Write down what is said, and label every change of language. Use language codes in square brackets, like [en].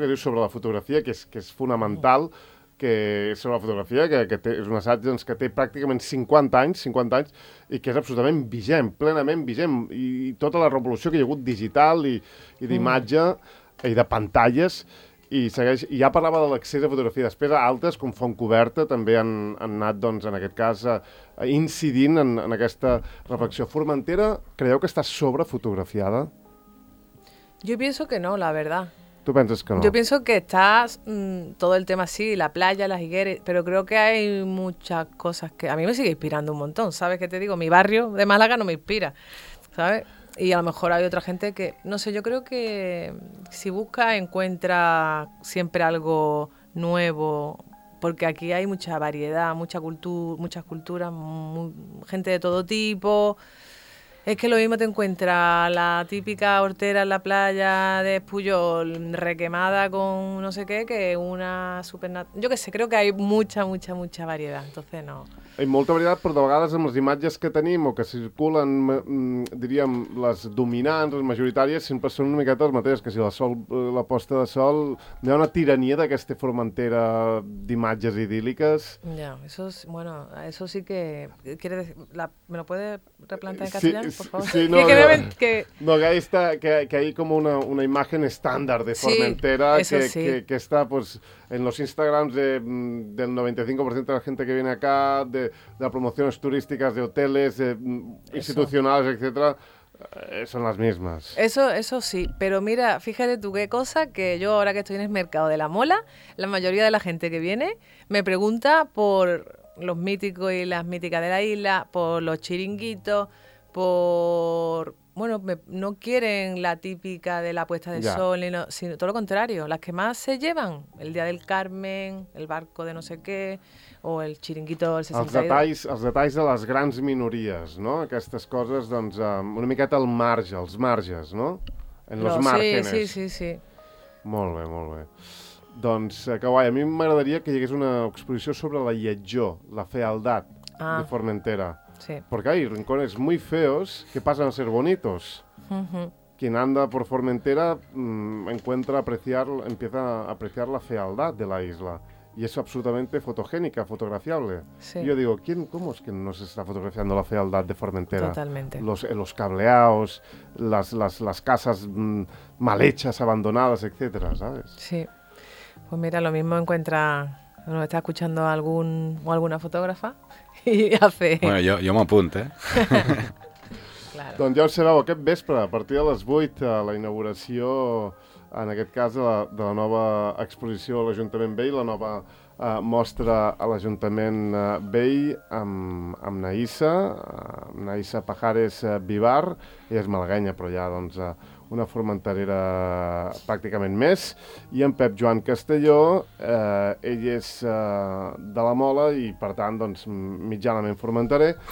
[ca] que diu sobre la fotografia, que és fonamental, que és sobre la fotografia, que té, és un assaig doncs, que té pràcticament 50 anys, i que és absolutament vigent, plenament vigent, i tota la revolució que hi ha hagut digital i d'imatge i de pantalles, i segueix, i ja parlava de l'accés a fotografia. Després, altres, com Fontcoberta, també han anat, doncs, en aquest cas, incidint en aquesta reflexió. Formentera, creieu que està sobrefotografiada? Jo penso que no, [es] la verdad. [ca] Tu penses que no? Jo penso que està tot el tema sí, [es] la playa, las higueres, però creo que hay muchas cosas que... A mí me sigue inspirando un montón, ¿sabes qué te digo? Mi barrio de Málaga no me inspira, ¿sabes? Y a lo mejor hay otra gente que... No sé, yo creo que si busca, encuentra siempre algo nuevo. Porque aquí hay mucha variedad, mucha cultura, muchas culturas, gente de todo tipo. Es que lo mismo te encuentra la típica hortera en la playa de Espullol, requemada con no sé qué, que una super... Yo qué sé, creo que hay mucha, mucha, mucha variedad. Entonces, no... [ca] Hi ha molta varietat, però de vegades amb les imatges que tenim o que circulen, diríem, les dominants, les majoritàries, sempre són una miqueta les mateixes, que si la posta de sol... Hi ha una tirania d'aquesta Formentera d'imatges idíl·liques. [es] Ja, eso sí que... Quiere decir, ¿me lo puede replantar en castellano, sí, por favor? Sí, no, que hay como una imagen estándar de Formentera, sí, que está pues, en los Instagrams del 95% de la gente que viene acá... De promociones turísticas, de hoteles, institucionales, etcétera, son las mismas. Eso sí, pero mira, fíjate tú qué cosa, que yo ahora que estoy en el mercado de la Mola, la mayoría de la gente que viene me pregunta por los míticos y las míticas de la isla, por los chiringuitos, por... Bueno, no quieren la típica de la puesta de sol, sino todo lo contrario, las que más se llevan, el Día del Carmen, el barco de no sé qué, o el chiringuito del 62. [ca] Els detalls de les grans minories, no? Aquestes coses, doncs, una miqueta al marge, els marges, no? [es] En los márgenes. Sí. [ca] Molt bé, molt bé. Doncs, que guai, a mi m'agradaria que hi hagués una exposició sobre la lletjó, la fealdat de Formentera. [es] Sí. Porque hay rincones muy feos que pasan a ser bonitos. Uh-huh. Quien anda por Formentera empieza a apreciar la fealdad de la isla. Y es absolutamente fotogénica, fotografiable. Sí. Y yo digo, ¿cómo es que no se está fotografiando la fealdad de Formentera? Totalmente. Los cableados, las casas mal hechas, abandonadas, etcétera, ¿sabes? Sí. Pues mira, lo mismo encuentra... ¿No está escuchando alguna fotógrafa? Y hace... Bueno, yo me apunto, ¿eh? Claro. [ca] Doncs ja ho sabeu, aquest vespre, a partir de les 8, a la inauguració, en aquest cas, de la nova exposició a l'Ajuntament Vell, la nova mostra a l'Ajuntament Vell amb Naïssa, Naïssa Pajares Vivar, ella és malaguenya, però ja, doncs, una formenterera pràcticament més, i en Pep Joan Castelló, ell és de la Mola i, per tant, doncs, mitjanament formenterer.